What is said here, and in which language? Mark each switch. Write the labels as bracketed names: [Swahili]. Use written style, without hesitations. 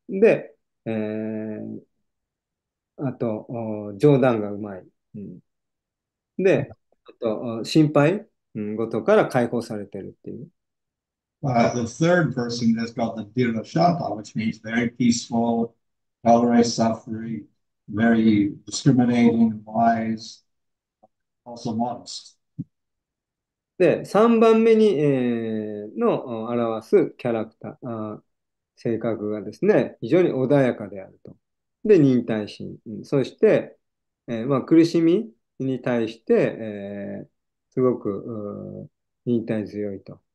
[Japanese] で、あと、冗談がうまい。で、あと、心配事から解放されてるっていう。 [English] The third person is called the Dhirashanta, which means very peaceful, tolerates suffering, very discriminating, wise, also modest. [Japanese] で、3番目に、の表すキャラクター、性格がですね、非常に穏やかであると。で、忍耐心。そして、まあ、苦しみに対して、すごく忍耐強いと。